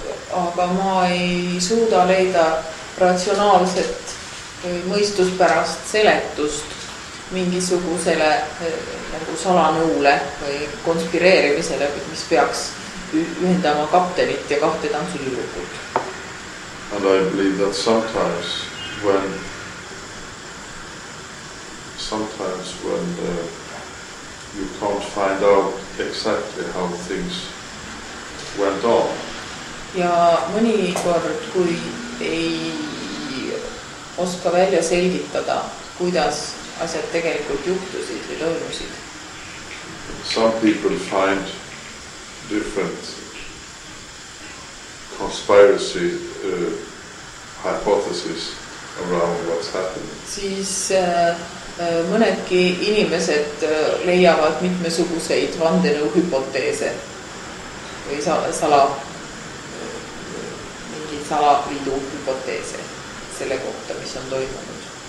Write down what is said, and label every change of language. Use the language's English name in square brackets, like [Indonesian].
[Estonian] Aga ma ei suuda leida ratsionaalset mõistuspärast seletust mingisugusele nagu salanõule või konspireerimisele, mis peaks ühendama kaptenit ja kahte tantsulüürikult. [English] And I believe that sometimes when you can't find out exactly how things went on. [Estonian] Ja mõni kord, kui ei oska välja selgitada, kuidas asjad tegelikult juhtusid või toimusid. [English] Some people find different conspiracy hypotheses around what's happened. [Estonian] Siis mõnedki inimesed leiavad mitmesuguseid vandenõuhypoteese või salapidu hypoteese selle kohta, mis on toimunud.